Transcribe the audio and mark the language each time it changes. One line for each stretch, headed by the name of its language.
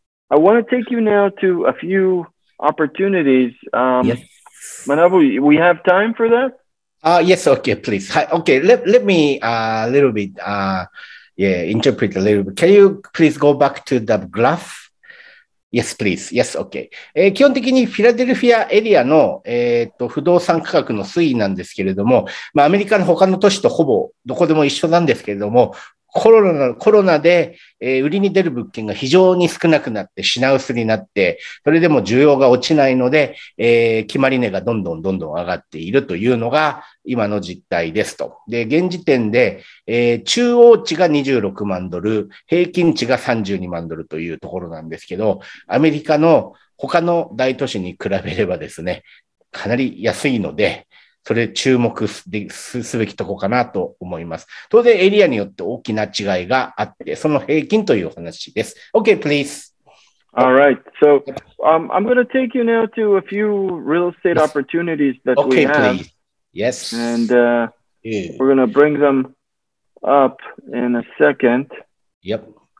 English: I want to take you now to a few opportunities. Manabu, we have time for that? Yes, okay, please. Okay, let me a little bit, interpret a little bit. Can you please go back to the graph? Yes, please. Yes, okay.
Japanese: 基本的にフィラデルフィアエリアの、不動産価格の推移なんですけれども、まあ、アメリカの他の都市とほぼどこでも一緒なんですけれども、コロナで、売りに出る物件が非常に少なくなって品薄になって、それでも需要が落ちないので、決まり値がどんどん上がっているというのが今の実態ですと。で、現時点で、中央値が26万ドル、平均値が32万ドルというところなんですけど、アメリカの他の大都市に比べればですね、かなり安いので、それ注目 すべきとこかなと思います。当然エリアによって大きな違いがあって、その平均という話です。
English: Okay, please. All right. So, I'm going to take you now to a few real estate opportunities that okay, we have. Okay, please. Yes. And we're going to bring them up in a second. Yep.